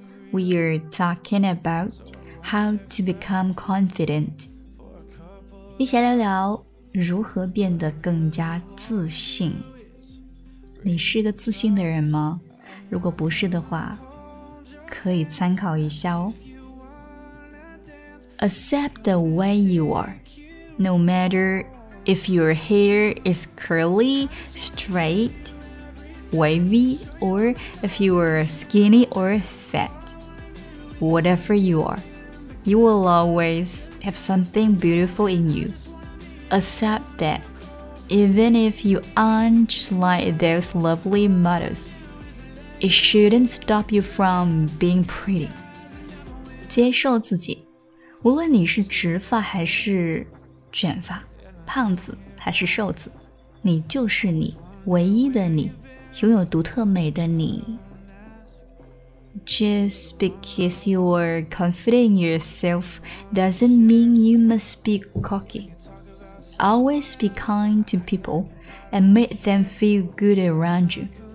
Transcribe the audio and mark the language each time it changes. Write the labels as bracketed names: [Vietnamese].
[English] We are talking about how to become confident， [Chinese] 一起来聊聊如何变得更加自信。你是个自信的人吗？如果不是的话，可以参考一下哦。 [English] Accept the way you are, no matter if your hair is curly, straight, wavy, or if you are skinny or fat. Whatever you are, you will always have something beautiful in you. Accept that, even if you aren't just like those lovely models. It shouldn't stop you from being pretty. [Chinese] 接受自己，无论你是直发还是卷发，胖子还是瘦子，你就是你，唯一的你，拥有独特美的你。 [English] Just because you are confident in yourself doesn't mean you must be cocky. Always be kind to people and make them feel good around you.